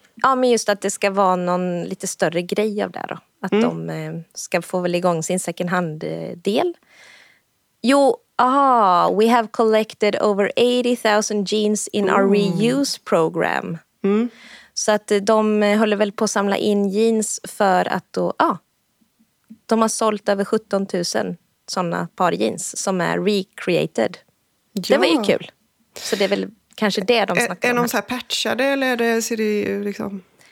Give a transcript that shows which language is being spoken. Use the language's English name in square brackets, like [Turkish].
[Swedish] Men just att det ska vara någon lite större grej av det då. Att de ska få väl igång sin second hand-del. [English] Jo, we have collected over 80,000 jeans in our reuse program. Mm. [Swedish] Så att de håller väl på att samla in jeans för att då, de har sålt över 17 000 sådana par jeans som är recreated. Ja. Det var ju kul. Så det är väl kanske det de snackar om. Är de så här patchade eller ser det ju liksom...